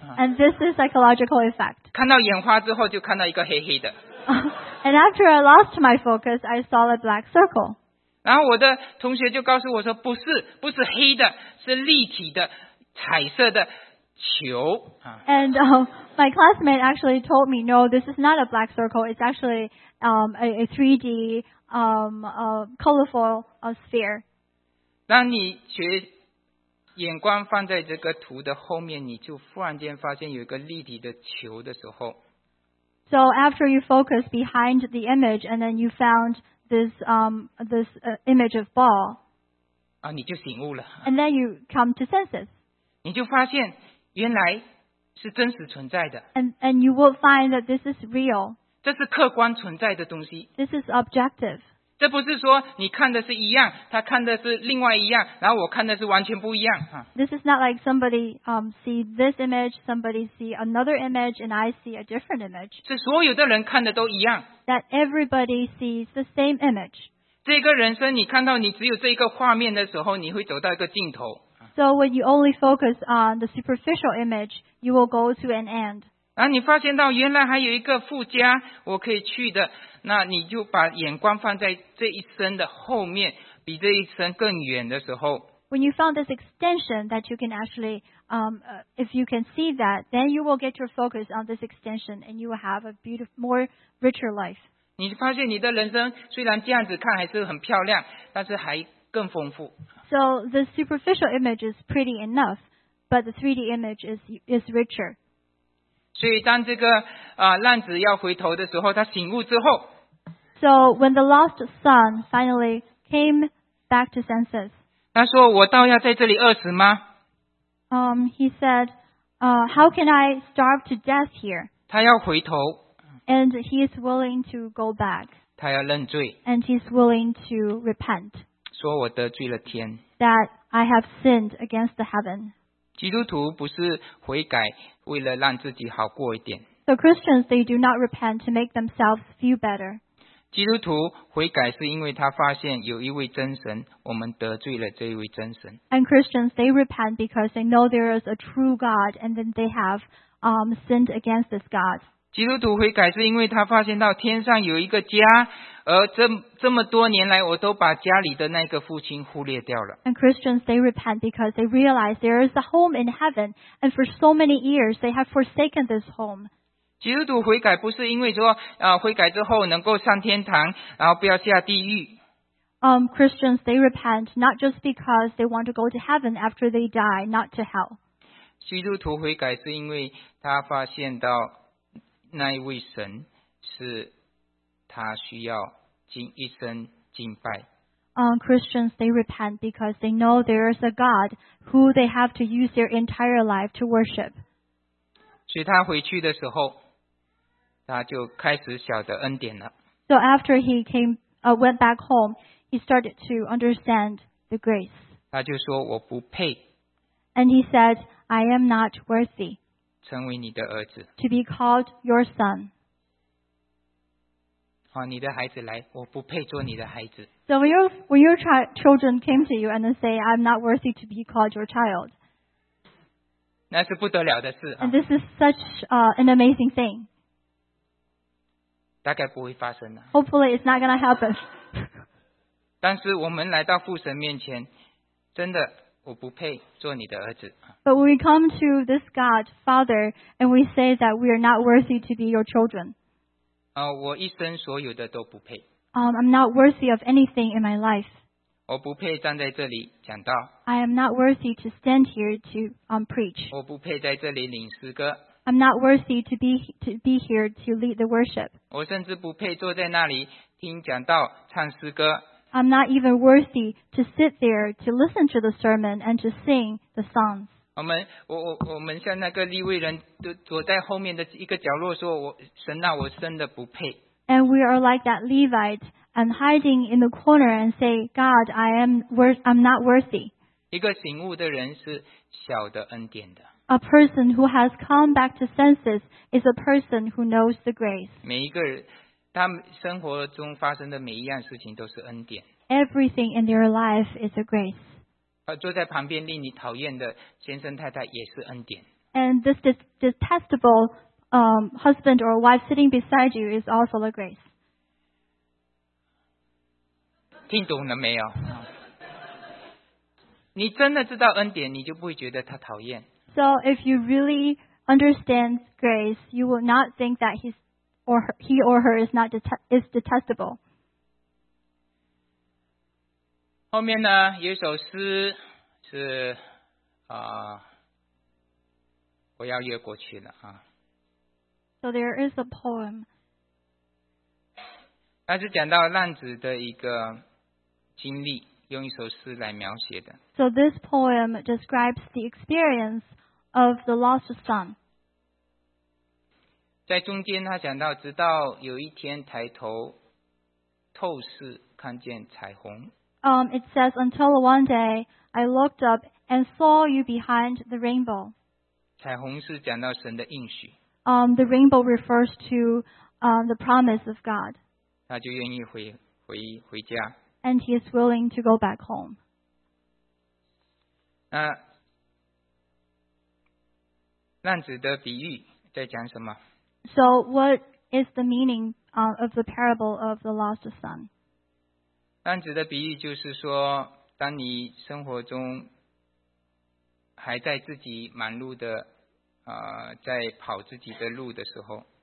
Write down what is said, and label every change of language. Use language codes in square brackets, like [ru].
[en] And this is psychological effect. [zh] 看到眼花之后就看到一个黑黑的。 [en] And after I lost my focus, I saw a black circle. [zh] 然后我的同学就告诉我说，不是，不是黑的，是立体的，彩色的球。 [en] And my classmate actually told me, no, this is not a black circle, it's actually a 3D,colorful sphere. [zh] 当你学眼光放在这个图的后面，你就忽然间发现有一个立体的球的时候。 [en] So after you focus behind the image, and then you found this image of ball. [zh] 啊，你就醒悟了。 [en] And then you come to senses. [zh] 你就发现原来是真实存在的。 [en] And you will find that this is real. [zh] 这是客观存在的东西。 [en] This is objective. [zh] 这不是说你看的是一样，他看的是另外一样，然后我看的是完全不一样。 [en] This is not like somebody see this image, somebody see another image, and I see a different image. [zh] 是所有的人看的都一样。 [en] That everybody sees the same image. [zh] 这个人生你看到你只有这个画面的时候，你会走到一个尽头。 [en] So when you only focus on the superficial image, you will go to an end. [zh] 然后你发现到原来还有一个附加我可以去的那你就把眼光放在这一生的后面比这一生更远的时候 [en] When you found this extension that you can actually if you can see that then you will get your focus on this extension and you will have a beautiful, more richer life [zh] 你发现你的人生虽然这样子看还是很漂亮但是还更丰富 [en] So the superficial image is pretty enough but the 3D image is richer [zh] 所以当这个浪子要回头的时候他醒悟之后 [en] So when the lost son finally came back to senses [zh] 他说我倒要在这里饿死吗 [en] He said how can I starve to death here [zh] 他要回头 [en] And he is willing to go back [zh] 他要认罪 [en] And he is willing to repent [zh] 说我得罪了天 [en] That I have sinned against the heaven [zh] 基督徒不是悔改为了让自己好过一点。 [en] So Christians, they do not repent to make themselves feel better. [zh] 基督徒悔改是因为他发现有一位真神，我们得罪了这一位真神。 [en] And Christians, they repent because they know there is a true God, and then they have sinned against this God. [zh] 基督徒悔改是因为他发现到天上有一个家，而这么多年来，我都把家里的那个父亲忽略掉了。 [en] And Christians, they repent because they realize there is a home in heaven, and for so many years, they have forsaken this home. [zh] 基督徒悔改不是因为说，悔改之后能够上天堂，然后不要下地狱。 [en] Christians, they repent not just because they want to go to heaven after they die, not to hell. [zh] 基督徒悔改是因为他发现到那一位神是。他需要敬一生敬拜。 [en] Christians they repent because they know there is a God who they have to use their entire life to worship. [zh] 所以他回去的时候，他就开始晓得恩典了。 [en] So after he came, went back home, he started to understand the grace. [zh] 他就说我不配。 [en] And he said, I am not worthy. [zh] 成为你的儿子。 [en] To be called your son. [zh] 你的孩子来，我不配做你的孩子。 [en] So when your children came to you and say, "I'm not worthy to be called your child," [zh] 那是不得了的事。 [en] And this is such an amazing thing. [zh] 大概不会发生了。 [en] Hopefully, it's not going to happen. [zh] 但是我们来到父神面前，真的我不配做你的儿子。 [en] But we come to this God, Father, and we say that we are not worthy to be your children. [zh] 我一生所有的都不配。 [en] I'm not worthy of anything in my life. [zh] 我不配站在这里讲道。 [en] I am not worthy to stand here to preach. [zh] 我不配在这里领诗歌。 [en] I'm not worthy to be here to lead the worship. [zh] 我甚至不配坐在那里听讲道唱诗歌。 [en] I'm not even worthy to sit there to listen to the sermon and to sing the songs. [zh] 我们像那个利未人躲在后面的一个角落说，神啊，我真的不配。 [en] And we are like that Levite and hiding in the corner and say, God, I'm not worthy. [zh] 一个醒悟的人是晓得恩典的。 [en] A person who has come back to senses is a person who knows the grace. [zh] 每一个人他生活中发生的每一样事情都是恩典。 [en] Everything in their life is a grace. [zh] 坐在旁边令你讨厌的先生太太也是恩典。 [en] And this detestable husband or wife sitting beside you is also a grace. [zh] 听懂了没有？你真的知道恩典，你就不会觉得他讨厌。 [en] So if you really understand grace, you will not think that he or her is detestable. [zh] 后面呢，有一首诗是我要越过去了啊。 [en] So there is a poem. [zh] 它是讲到浪子的一个经历，用一首诗来描写的。 [en] So this poem describes the experience of the lost son. [zh] 在中间他讲到，直到有一天抬头透视，看见彩虹。 [en] It says until one day I looked up and saw you behind the rainbow. [zh] 彩虹是讲到神的应许。 [en] The rainbow refers to the promise of God. [zh] 他就愿意回家。 [en] And he is willing to go back home. [zh] 浪子的比喻在讲什么？ [en] So what is the meaning of the parable of the lost son? [zh] 浪子的比喻就是说，当你生活中还在自己忙碌的在跑自己的路的时候，